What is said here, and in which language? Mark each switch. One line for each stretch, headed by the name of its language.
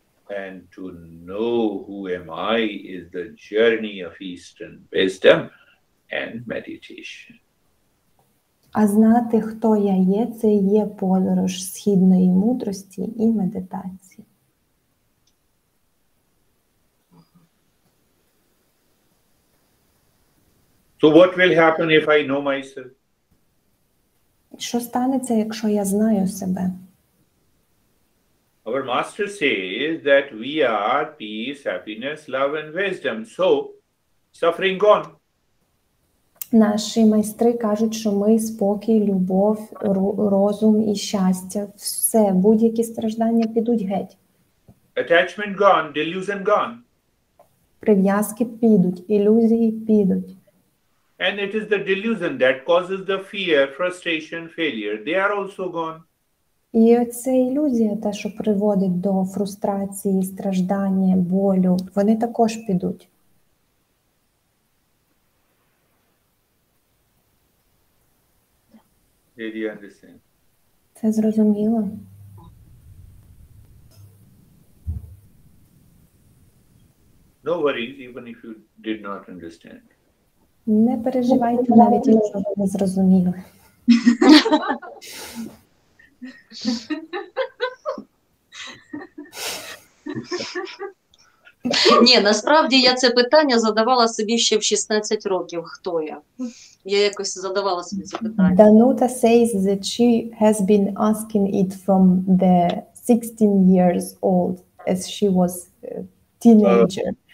English: And to know who am I is the journey of Eastern wisdom and meditation.
Ukrainian: А знати, хто я є, це є подорож східної мудрості і медитації.
English: So what will happen if I know myself?
Ukrainian: Що станеться, якщо я знаю себе?
English: Our master says that we are peace, happiness, love and wisdom. So, suffering gone.
Ukrainian: Наші майстри кажуть, що ми спокій, любов, розум і щастя. Все, будь-які страждання підуть геть.
English: Attachment gone, delusion gone.
Ukrainian: Прив'язки підуть, ілюзії підуть.
English: And it is the delusion that causes the fear, frustration, failure. They are also gone.
Ukrainian: І це ілюзія, те, що приводить до фрустрації, страждання, болю. Вони також підуть.
English: Did you understand?
Ukrainian: Це зрозуміло.
English: No worries, even if you did not understand.
Ukrainian: Не переживайте, навіть якщо ви не зрозуміли. Ні, насправді я це питання задавала собі ще в 16 років. Хто я? Я якось задавала собі це питання.
English: Данута says that she has been asking it from the 16 years old as she was a teenager.